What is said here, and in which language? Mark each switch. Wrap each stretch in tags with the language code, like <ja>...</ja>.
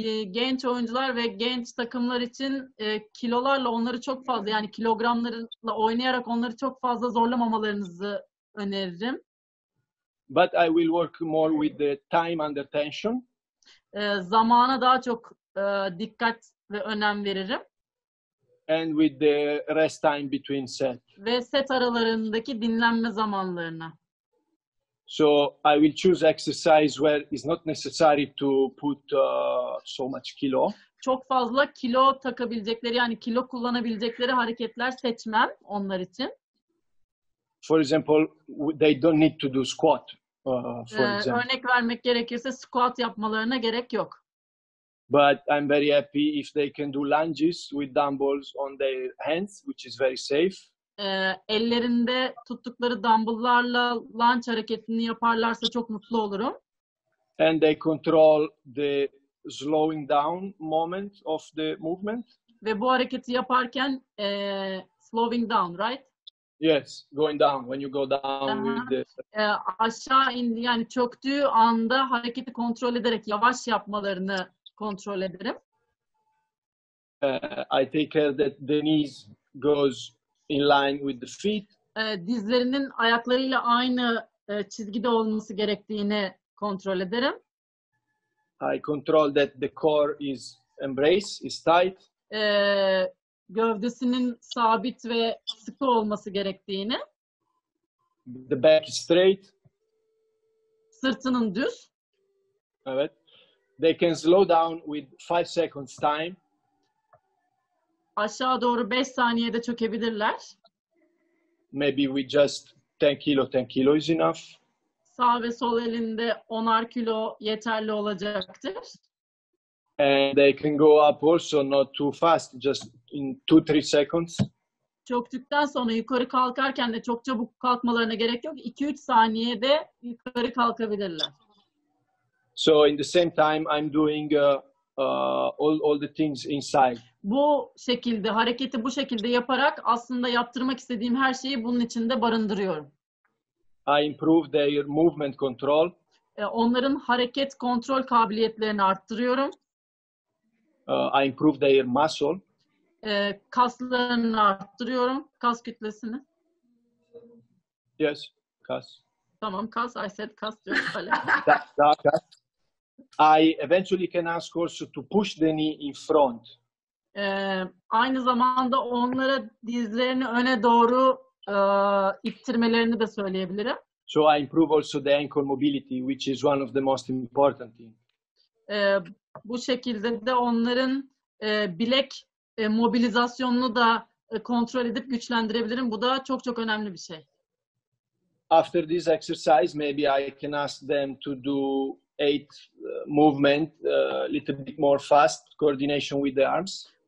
<tr>Genç oyuncular ve genç takımlar için kilolarla onları çok fazla yani kilogramlarla oynayarak onları çok fazla zorlamamalarınızı öneririm.</tr> <en>But I will work more with the time under tension.</en> <tr>Zamana daha çok dikkat ve önem veririm.</tr> <en>And with the rest time between set.</en> <tr>Ve set aralarındaki dinlenme zamanlarına.</tr> <en>So I will choose exercise where it's not necessary to put so much kilo.</en> <tr>Çok fazla kilo takabilecekleri yani kilo kullanabilecekleri hareketler seçmem onlar için.</tr> <en>For example, they don't need to do squat.</en> <tr>Örnek vermek gerekirse squat yapmalarına gerek yok.</tr> <en>But I'm very happy if they can do lunges with dumbbells on their hands, which is very safe.</en> <tr>Ellerinde tuttukları dumbbell'larla lunge hareketini yaparlarsa çok mutlu olurum.</tr> <en>And they control the slowing down moment of the movement.</en> <tr>Ve bu hareketi yaparken</tr> <en>slowing down, right? Yes, going down. When you go down with the</en> <tr>aşağı indi yani çöktüğü anda hareketi kontrol ederek yavaş yapmalarını kontrol ederim.</tr> <en>I take care that the knees goes in line with the feet.</en> <tr>Dizlerinin ayaklarıyla aynı çizgide olması gerektiğini kontrol ederim.</tr> <en>I control that the core is embraced, is tight.</en> <tr>Gövdesinin sabit ve sıkı olması gerektiğini.</tr> <en>The back is straight.</en> <tr>Sırtının düz. Evet.</tr> <en>They can slow down with 5 seconds time.</en> <tr>Aşağı doğru 5 saniyede çökebilirler.</tr> <en>Maybe we just 10 kilo, 10 kilo is enough.</en> <tr>Sağ ve sol elinde 10'ar kilo yeterli olacaktır.</tr> <en>And they can go up also not too fast, just in 2-3 seconds.</en> <tr>Çöktükten sonra yukarı kalkarken de çok çabuk kalkmalarına gerek yok. 2-3 saniyede yukarı kalkabilirler.</tr> <en>So in the same time I'm doing all the things inside.</en> <tr>Bu şekilde hareketi bu şekilde yaparak aslında yaptırmak istediğim her şeyi bunun içinde barındırıyorum.</tr> <en>I improve their movement control.</en> <tr>Onların hareket kontrol kabiliyetlerini arttırıyorum.</tr> <en>I improve their muscle.</en> <tr>Kaslarını arttırıyorum, kas kütlesini.</tr> <en>Yes, kas.</en> <tr>Tamam, kas.</tr> <en>I said kas.</en> <tr>Daha kas.</tr> <en>I eventually can ask also to push the knee in front.</en> <tr>Aynı zamanda onlara dizlerini öne doğru ittirmelerini de söyleyebilirim.</tr> <en>So I improve also the ankle mobility, which is one of the most important things.</en> <tr>Bu şekilde de onların bilek mobilizasyonunu da kontrol edip güçlendirebilirim. Bu da çok çok önemli bir şey.</tr> <en>After this exercise, maybe I can ask them to do 8 movement, little bit more fast coordination with the arms.</en>